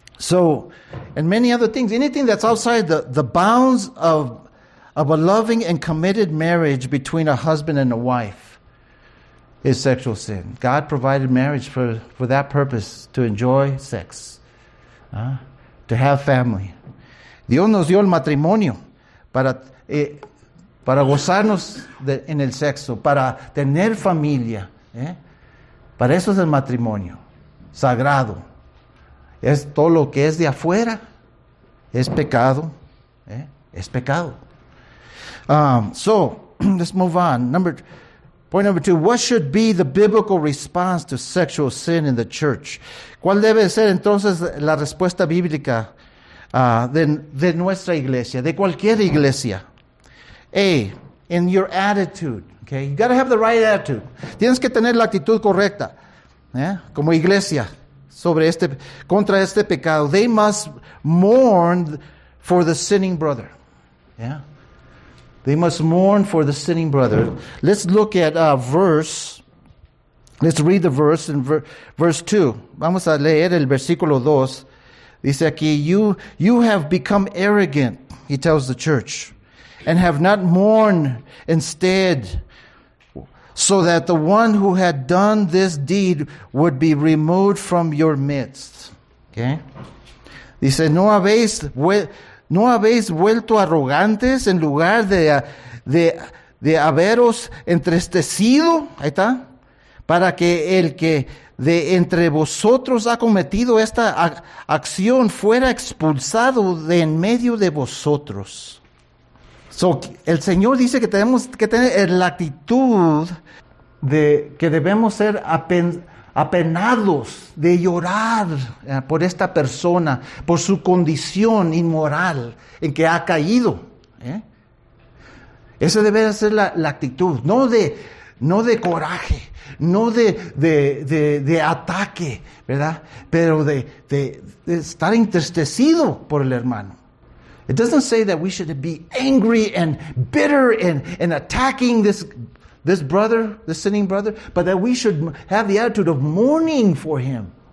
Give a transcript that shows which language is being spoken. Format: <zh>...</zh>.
<en>And many other things. Anything that's outside the bounds of a loving and committed marriage between a husband and a wife is sexual sin. God provided marriage for that purpose, to enjoy sex. To have family.</en> <es>Dios nos dio el matrimonio para gozarnos en el sexo, para tener familia. Para eso es el matrimonio sagrado. Es todo lo que es de afuera. Es pecado. Es pecado.</es> <en>Let's move on. Point number two, what should be the biblical response to sexual sin in the church?</en> <es>¿Cuál debe ser entonces la respuesta bíblica de nuestra iglesia, de cualquier iglesia?</es> <en>A, in your attitude. Okay? You got to have the right attitude.</en> <es>Tienes que tener la actitud correcta, ¿eh? Como iglesia, contra este pecado.</es> <en>They must mourn for the sinning brother. Yeah. They must mourn for the sinning brother. Let's look at Let's read the verse in verse 2.</en> <es>Vamos a leer el versículo 2. Dice aquí,</es> <en>you have become arrogant, he tells the church, and have not mourned instead, so that the one who had done this deed would be removed from your midst. Okay?</en> <es>Dice, ¿No habéis vuelto arrogantes en lugar de haberos entristecido? Ahí está. Para que el que de entre vosotros ha cometido esta acción fuera expulsado de en medio de vosotros. So, el Señor dice que tenemos que tener la actitud de que debemos ser apenados de llorar por esta persona, por su condición inmoral en que ha caído. Esa debe ser la actitud, no de coraje, no de ataque, ¿verdad? Pero de estar entristecido por el hermano.</es> <en>It doesn't say that we should be angry and bitter and attacking this brother, the sinning brother, but that we should have the attitude of mourning for him.</en>